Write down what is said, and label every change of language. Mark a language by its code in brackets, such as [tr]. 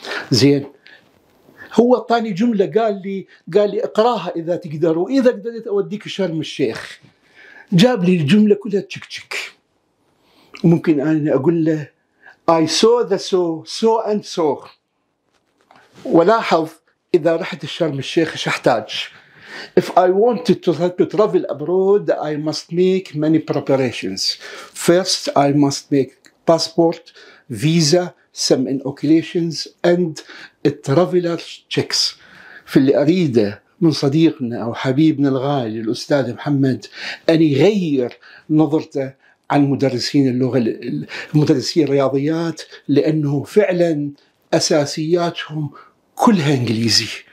[ar] زين، هو طاني جملة قال لي اقراها إذا تقدر، وإذا قدرت أوديك شرم الشيخ. جاب لي الجملة كلها تشك تشك. ممكن أنا أقول له [en] I saw the so and so، [ar] ولاحظ إذا رحت الشرم الشيخ إيش أحتاج. [en] If I want to travel abroad, I must make many preparations. First, I must make passport, visa, some inoculations and traveler checks. [ar] في اللي أريده من صديقنا أو حبيبنا الغالي الأستاذ محمد أن يغير نظرته عن مدرسين اللغة، مدرسين الرياضيات، لأنه فعلا أساسياتهم كلها إنجليزي.